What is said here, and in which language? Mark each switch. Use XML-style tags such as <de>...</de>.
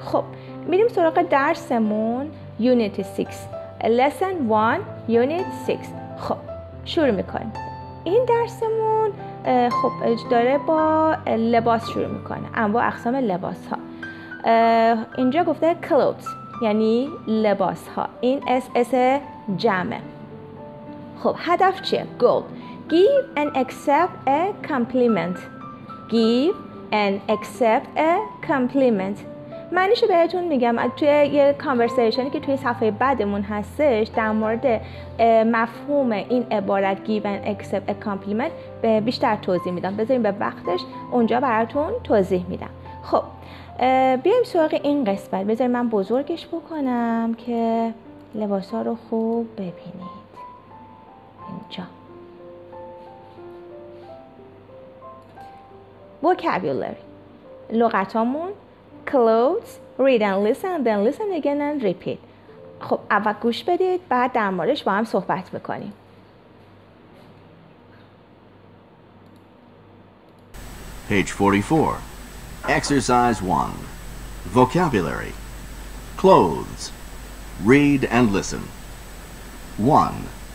<fa>خب میریم سراغ درسمون، یونیت 6، لسن 1، یونیت 6. خب شروع میکنیم. این درسمون خب داره با لباس شروع میکنه، انواع اقسام لباس ها. اینجا گفته clothes یعنی لباس ها، این اس جمعه. خب هدف چیه؟</fa> <en>goal: give and accept a compliment. give and accept a compliment.</en> <fa>معنیشو بهتون میگم. توی یه کانورسیشنی که توی صفحه بعدمون هستش در مورد مفهوم این عبارت give and accept a compliment بیشتر توضیح میدم. بذاریم به وقتش اونجا براتون توضیح میدم. خب بیایم سراغ این قسمت. بذاریم من بزرگش بکنم که لباسا رو خوب ببینید. اینجا vocabulary، لغتامون.</fa> <en>clothes، read and listen، then listen again and repeat.</en> <fa>خب اول گوش بدید بعد در موردش با هم صحبت میکنیم.</fa> <en>page 44 exercise 1 vocabulary clothes read and listen 1</en>